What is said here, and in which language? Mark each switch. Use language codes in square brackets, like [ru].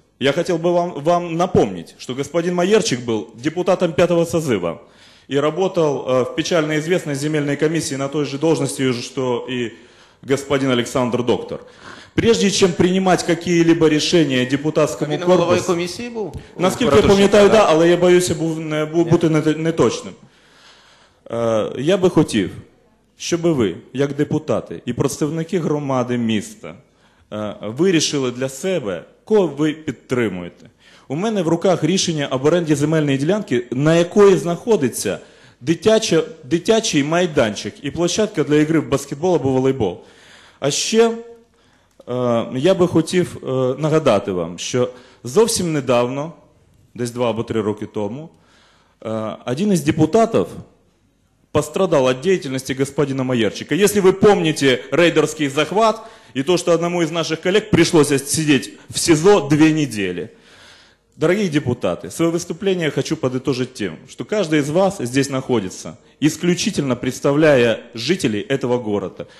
[ru] Я хотел бы вам напомнить, что господин Майерчик был депутатом 5-го созыва и работал в печально известной земельной комиссии на той же должности, что и господин Александр Доктор. Прежде чем принимать какие-либо решения депутатскому корпусу... Головой комиссии был? Насколько я помню, да, но я боюсь, буду неточным. Я бы хотел... [uk] Щоб ви, як депутати і представники громади міста, вирішили для себе, кого ви підтримуєте. У мене в руках рішення об оренді земельної ділянки, на якої знаходиться дитячий майданчик і площадка для ігри в баскетбол або волейбол. А ще я би хотів нагадати вам, що зовсім недавно, десь 2 або 3 роки тому, один із депутатів [ru] пострадал от деятельности господина Майерчика. Если вы помните рейдерский захват и то, что одному из наших коллег пришлось сидеть в СИЗО 2 недели. Дорогие депутаты, свое выступление хочу подытожить тем, что каждый из вас здесь находится, исключительно представляя жителей этого города.